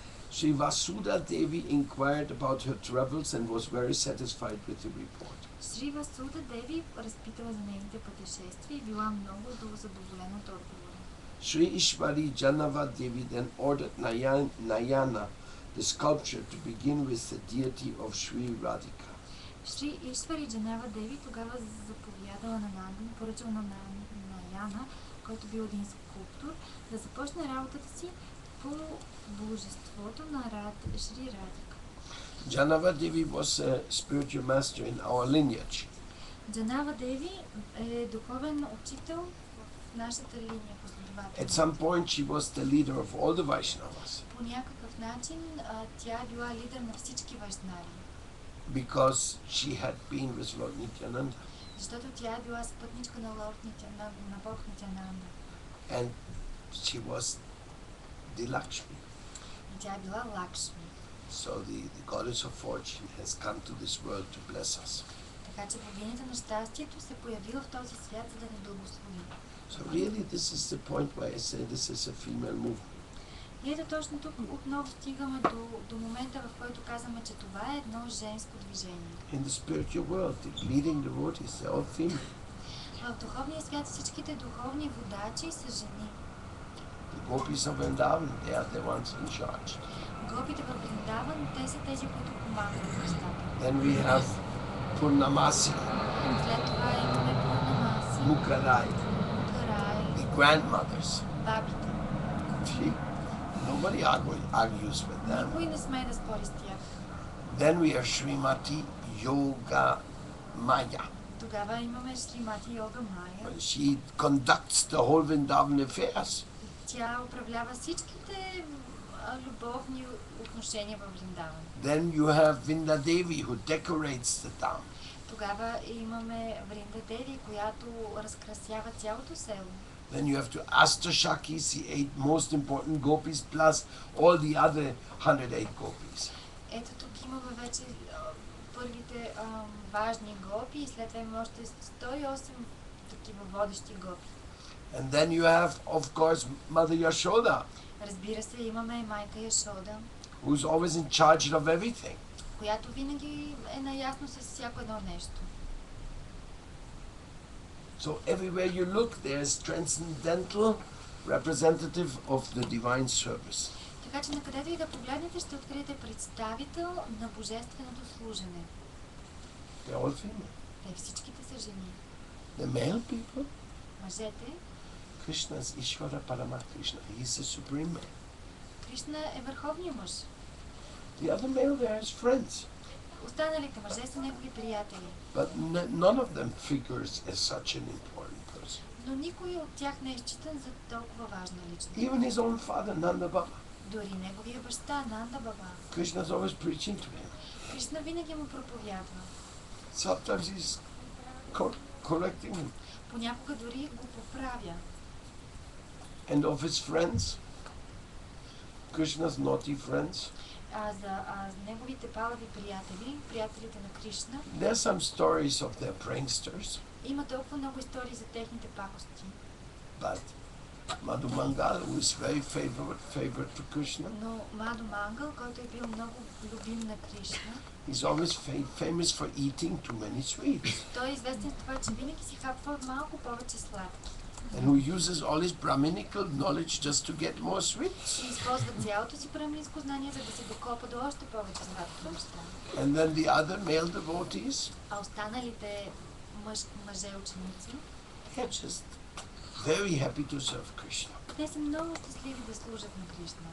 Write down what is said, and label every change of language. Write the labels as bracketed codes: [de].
[en] Sri Vasudha Devi inquired about her travels and was very satisfied with the report. [bg] Sri Vasudha Devi разпитала за нейните пътешествия и била много задоволена от отговора. [en] Sri Ishvari Janava Devi then ordered Nayana, the sculptor, to begin with the deity of Sri Radhika. [bg] Sri Ishvari Janava Devi тогава заповядала на Нанда, поръчала на Nayana, който бил един скулптор, да започне работата си по божеството на Шри Радика. [en] Janava Devi was a spiritual master in our lineage. [bg] Janava Devi е духовен учител в нашата линия последователи. [en] At some point she was the leader of all the Vaishnavas. [bg] По някакъв начин тя била лидер на всички вайшнави. [en] Because she had been with Lord Nityananda. [bg] Защото тя била спътничка на Лорд Нитянанда, на Бог Нитянанда. [en] And she was the Lakshmi. [bg] И тя била Лакшми. [en] So the goddess of fortune has come to this world to bless us. [bg] Така че богинята на щастието се появила в този свят, за да ни благослови. [en] So really this is the point where I say this is a female movement. [bg] И ето точно тук отново стигаме до момента, в който казваме, че това е едно женско движение. [en] In the spiritual world, the leading devotees, they're all female. [bg] А в духовния свят всичките духовни водачи са жени. [en] The gopis of Vrindavan, they are the ones in charge. [bg] Гопите във Вриндаван, те са тези, които командват нещата. [en] Then we have Purnamasi. [bg] След това имаме Пурнамаси. [en] Мукарай. [bg] Мукарай. [en] The grandmothers. [bg] Бабите. [en] See? Nobody argues with them. [bg] Никой не смее да спори с тях. [en] Then we have Шримати Йога Майя. [bg] Тогава имаме Шримати Йога Майя. [en] She conducts the whole Vrindavan affairs. [bg] Тя управлява всичките любовни отношения във Вриндаван. [en] Then you have Vinda Devi who decorates the town. [bg] Тогава имаме Vrinda Devi, която разкрасява цялото село. [en] Then you have to Astashakis, the eight most important gopis, plus all the other 108 gopis. [bg] Ето тук имаме вече първите важни гопи и след това имаме още 108 такива водещи гопи. [en] And then you have, of course, Mother Yashoda. [bg] Разбира се, имаме и майка Яшода. [en] Who's always in charge of everything. [bg] Която винаги е наясно с всяко едно нещо. [en] So everywhere you look, there's transcendental representative of the divine service. [bg] Така че накъдето и да погледнете, ще откриете представител на божественото служене. [en] They're all female. [bg] Те всичките са жени. [en] The male people. [bg] Мъжете. [en] Krishna is Ishvara Paramakrishna. He is the supreme man. [bg] Krishna е върховният мъж. [en] The other male there is friends. [bg] Останалите мъже са негови приятели. [en] But none of them figures as such an important person. [bg] Но никой от тях не е считан за толкова важна личност. [en] Even his own father, Nanda Baba. [bg] Дори неговия баща, Нанда Баба. [en] Krishna is always preaching to him. [bg] Krishna винаги му проповядва. [en] Sometimes he's correcting him. [bg] Понякога дори го поправя. [en] And of his friends, Krishna's naughty friends. [bg] As неговите палави приятели, приятелите на Кришна. [en] There are some stories of their pranksters. [bg] има толкова много истории за техните пакости. [en] But Madhu Mangal was very favorite to Krishna. [bg] Но Madhu Mangal, който е бил много любим на Кришна. [en] He's always famous for eating too many sweets. [bg] Той е известен с това, че винаги си хапва малко повече сладки. [en] And who uses all his brahminical knowledge just to get more sweets? [bg] И използва цялото си брахманско знание, за да се докопа до още повече сладки. [en] And then the other male devotees? [bg] А останалите мъже ученици? [en] They're just very happy to serve Krishna. [bg] Те са много щастливи да служат на Кришна.